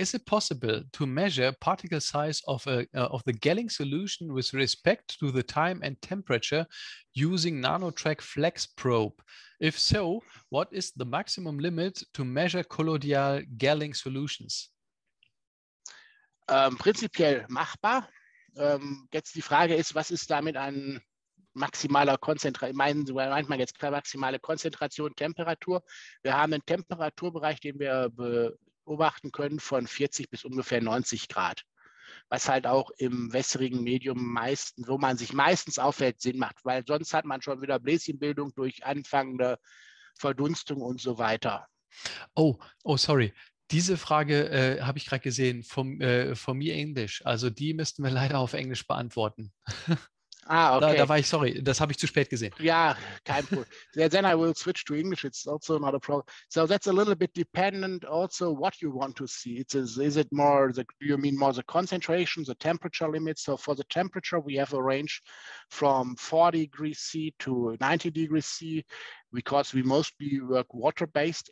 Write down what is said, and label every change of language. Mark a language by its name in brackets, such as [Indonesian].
[English] Is it possible to measure particle size of the Gelling solution with respect to the time and temperature using NanoTrack Flex Probe? If so, what is the maximum limit to measure colloidal Gelling solutions? [German] Prinzipiell machbar. Jetzt die Frage ist, was ist damit an maximaler Konzentration, meinen Sie manchmal jetzt klar, maximale Konzentration, Temperatur. Wir haben einen Temperaturbereich, den wir beobachten können, von 40 bis ungefähr 90 Grad. Was halt auch im wässrigen Medium meistens, wo man sich meistens aufhält, Sinn macht, weil sonst hat man schon wieder Bläschenbildung durch anfangende Verdunstung und so weiter. Oh, sorry. Diese Frage habe ich gerade gesehen von mir Englisch. Also die müssten wir leider auf Englisch beantworten. Ah, okay. Da war ich, sorry, das habe ich zu spät gesehen. Ja, kein Problem. [English] Then I will switch to English. It's also not a problem. So that's a little bit dependent also what you want to see. Do you mean more the concentration, the temperature limits? So for the temperature, we have a range from 40 degrees C to 90 degrees C because we mostly work water-based.